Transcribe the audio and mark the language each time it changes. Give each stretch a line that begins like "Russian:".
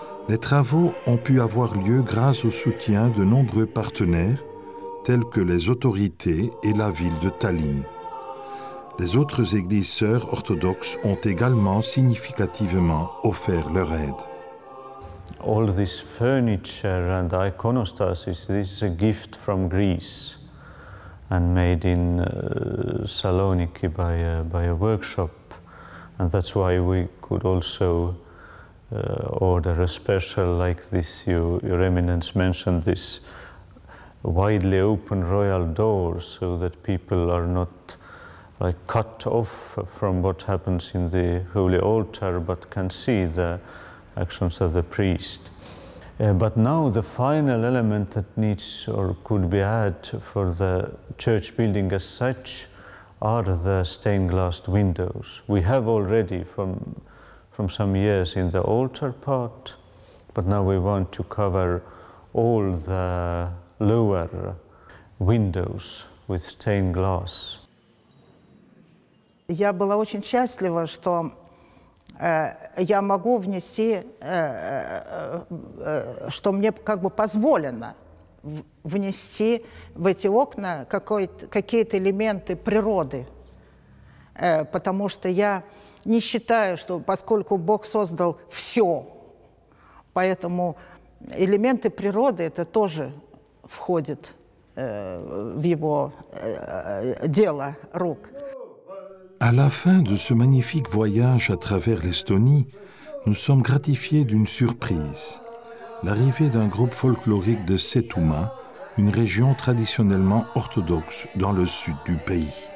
French: Les travaux ont pu avoir lieu grâce au soutien de nombreux partenaires, tels que les autorités et la ville de Tallinn. Les autres églises sœurs orthodoxes ont également significativement offert leur aide.
English: All this furniture and iconostasis, this is a gift from Greece and made in Saloniki by a workshop. And that's why we could also order a special like this. Your Eminence mentioned this widely open royal door so that people are not like cut off from what happens in the holy altar, but can see the actions of the priest. But now the final element that needs or could be added for the church building as such are the stained glass windows. We have already from some years in the altar part, but now we want to cover all the lower windows with stained glass.
Russian: Я была очень счастлива, что я могу внести, что мне как бы позволено внести в эти окна какие-то элементы природы, потому что я не считаю, что поскольку Бог создал все, поэтому элементы природы это тоже входит в его дело рук.
French: À la fin de ce magnifique voyage à travers l'Estonie, nous sommes gratifiés d'une surprise. L'arrivée d'un groupe folklorique de Setuma, une région traditionnellement orthodoxe dans le sud du pays.